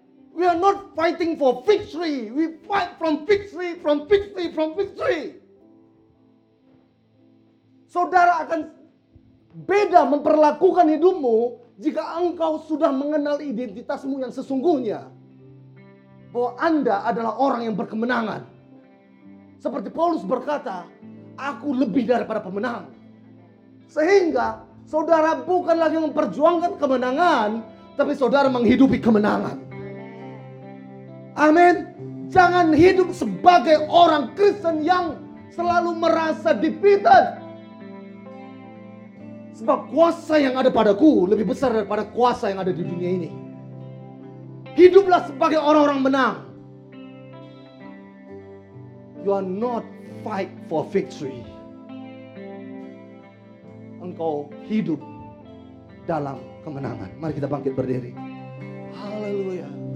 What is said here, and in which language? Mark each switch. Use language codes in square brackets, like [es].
[en] We are not fighting for victory. We fight from victory, from victory, from victory. [id] Saudara akan beda memperlakukan hidupmu jika engkau sudah mengenal identitasmu yang sesungguhnya. Bahwa Anda adalah orang yang berkemenangan. Seperti Paulus berkata, aku lebih daripada pemenang. Sehingga Saudara bukan lagi memperjuangkan kemenangan, tapi saudara menghidupi kemenangan. Amin. Jangan hidup sebagai orang Kristen yang selalu merasa defeated. Sebab kuasa yang ada padaku lebih besar daripada kuasa yang ada di dunia ini. Hiduplah sebagai orang-orang menang. [en] You are not fight for victory. [id] Engkau hidup dalam kemenangan. Mari kita bangkit berdiri. Haleluya.